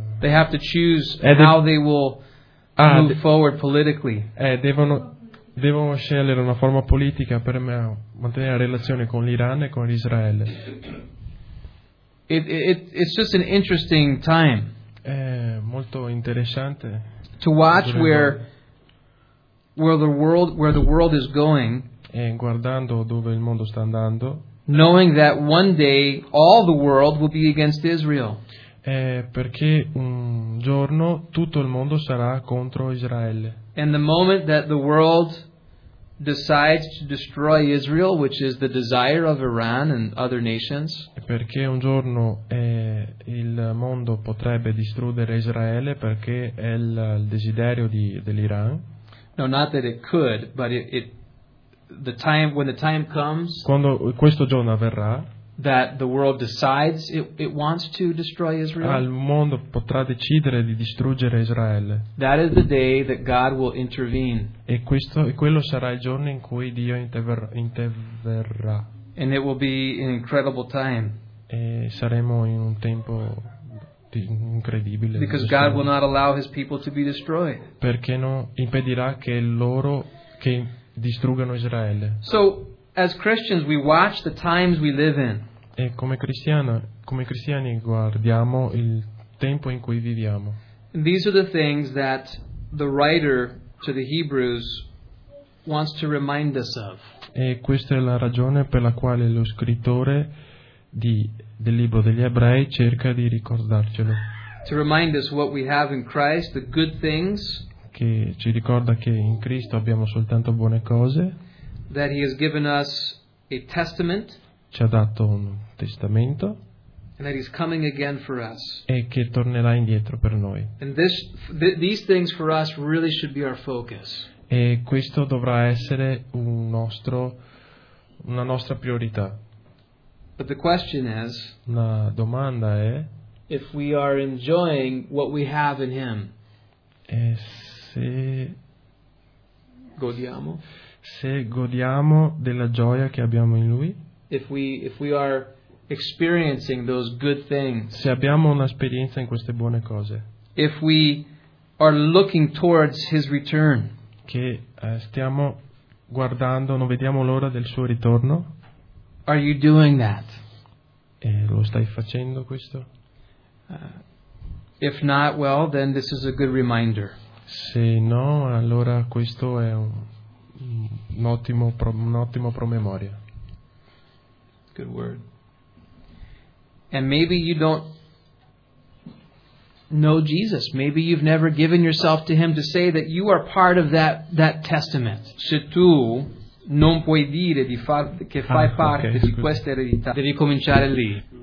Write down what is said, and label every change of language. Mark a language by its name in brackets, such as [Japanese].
[English] They have to choose how they will move forward politically. [Italian] Devono scegliere una forma politica per mantenere la relazione con l'Iran e con Israele. [English] It's just an interesting time. [Italian] È molto interessante. [English] To watch where the world is going. [Italian] E guardando dove il mondo sta andando. [English] Knowing that one day all the world will be against Israel. [Italian] Perché un giorno tutto il mondo sarà contro Israele. [English] And the moment that the world decides to destroy Israel, which is the desire of Iran and other nations. [Italian] Perché un giorno il mondo potrebbe distruggere Israele perché è il desiderio dell'Iran. [English] No, not that it could, but it the time when the time comes. [Italian] Quando questo giorno avverrà. [English] That the world decides it wants to destroy Israel. [Italian] Al mondo potrà decidere di distruggere Israele. [English] That is the day that God will intervene. [Italian] E questo e quello sarà il giorno in cui Dio interverrà. [English] And it will be an incredible time. [Italian] E saremo in un tempo incredibile. [English] Because God will not allow His people to be destroyed. [Italian] Perché non impedirà che loro che distruggano Israele. [English] So. As Christians, we watch the times we live in. [Italian] E come cristiani guardiamo il tempo in cui viviamo. [English] These are the things that the writer to the Hebrews wants to remind us of. [Italian] E questa è la ragione per la quale lo scrittore del libro degli Ebrei cerca di ricordarcelo. [English] To remind us what we have in Christ, the good things. [Italian] Che ci ricorda che in Cristo abbiamo soltanto buone cose. [English] That he has given us a testament. [Italian] Ci ha dato un testamento. [English] And that he's coming again for us. [Italian] E che tornerà indietro per noi. [English] And these things for us really should be our focus. [Italian] E questo dovrà essere una nostra priorità. [English] But the question is. [Italian] La domanda è. [English] If we are enjoying what we have in him. [Italian] E se. Godiamo. Se godiamo della gioia che abbiamo in lui, [English] if we are experiencing those good things, [Italian] se abbiamo un'esperienza in queste buone cose, [English] if we are looking towards his return, [Italian] che stiamo guardando, non vediamo l'ora del suo ritorno? [English] Are you doing that? [Italian] Lo stai facendo questo? [English] If not, well, then this is a good reminder. [Italian] Se no, allora questo è un ottimo promemoria. [English] Good word. And maybe you don't know Jesus. Maybe you've never given yourself to Him to say that you are part of that testament. [Italian] Se tu non puoi dire che fai parte di questa eredità, devi cominciare lì.